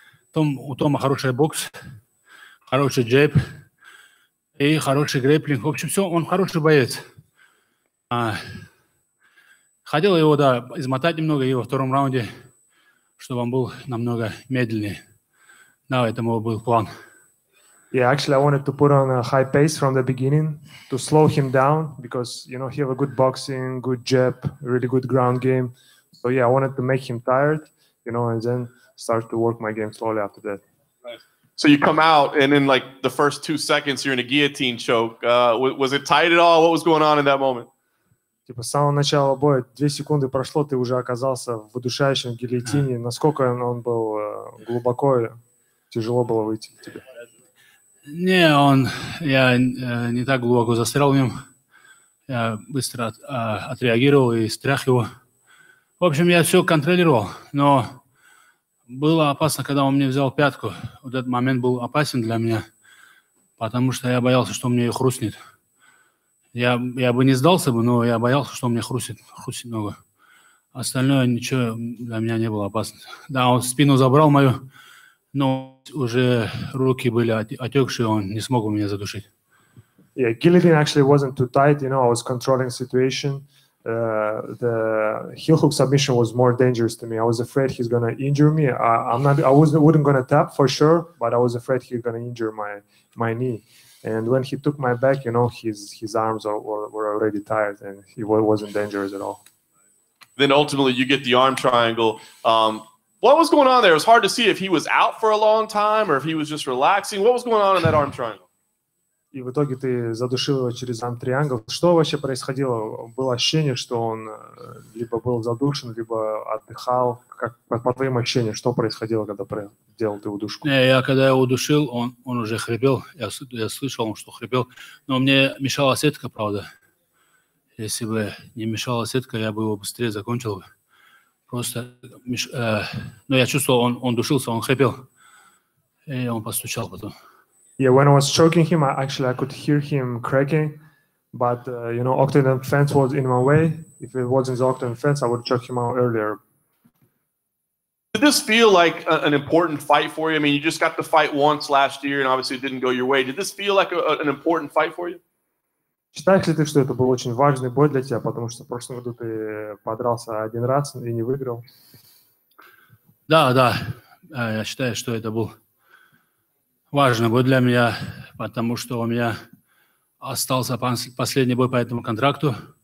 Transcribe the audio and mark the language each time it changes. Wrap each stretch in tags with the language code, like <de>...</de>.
<ru>Том, у Тома хороший бокс, хороший джеб и хороший грэплинг. В общем, все, он хороший боец. Хотел его, да, измотать немного и во втором раунде, чтобы он был намного медленнее. Да, это мой был план.</ru> <en>Yeah, actually, I wanted to put on a high pace from the beginning to slow him down because, you know, he have a good boxing, good jab, really good ground game. So, yeah, I wanted to make him tired, you know, and then start to work my game slowly after that. Nice. So you come out, and in, like, the first 2 seconds, you're in a guillotine choke. Was it tight at all? What was going on in that moment?</en> <ru>Типа, с самого начала боя, 2 секунды прошло, ты уже оказался в удушающем гильотине. Насколько он был глубоко, тяжело было выйти к тебе? Не, он, я не так глубоко застрял в нем. Я быстро отреагировал и стряхнул его. В общем, я все контролировал, но было опасно, когда он мне взял пятку. Вот этот момент был опасен для меня, потому что я боялся, что мне ее хрустнет. Я бы не сдался бы, но я боялся, что у меня хрустит ногу. Остальное ничего для меня не было опасно. Да, он спину забрал мою, но уже руки были отекшие, он не смог у меня задушить.</ru> <en>Yeah, guillotine actually wasn't too tight, you know, I was controlling situation. The heel hook submission was more dangerous to me. I was afraid he's gonna injure me. I wasn't gonna tap for sure, but I was afraid he's gonna injure my knee. And when he took my back, you know, his arms were already tired, and he wasn't dangerous at all. Then ultimately, you get the arm triangle. What was going on there? It was hard to see if he was out for a long time or if he was just relaxing. What was going on in that arm triangle?</en> <ru>И в итоге ты задушил его через arm triangle. Что вообще происходило? Было ощущение, что он либо был задушен, либо отдыхал. Как по твоим ощущениям, что происходило, когда делал ты удушку? Не, я когда его удушил, он уже хрипел. Я слышал, что хрипел. Но мне мешала сетка, правда. Если бы не мешала сетка, я бы его быстрее закончил. Просто, но я чувствовал, он душился, он хрипел. И он постучал потом.</ru> <en>Yeah, when I was choking him, I could hear him cracking, but, you know, octagon fence was in my way. If it wasn't the octagon fence, I would choke him out earlier. Did this feel like an important fight for you? I mean, you just got the fight once last year, and obviously it didn't go your way. Did this feel like an important fight for you?</en> <ru>Считаешь ли ты, что это был очень важный бой для тебя, потому что в прошлом году ты подрался один раз и не выиграл? Да, да, я считаю, что это был важный бой для меня, потому что у меня остался последний бой по этому контракту.</ru>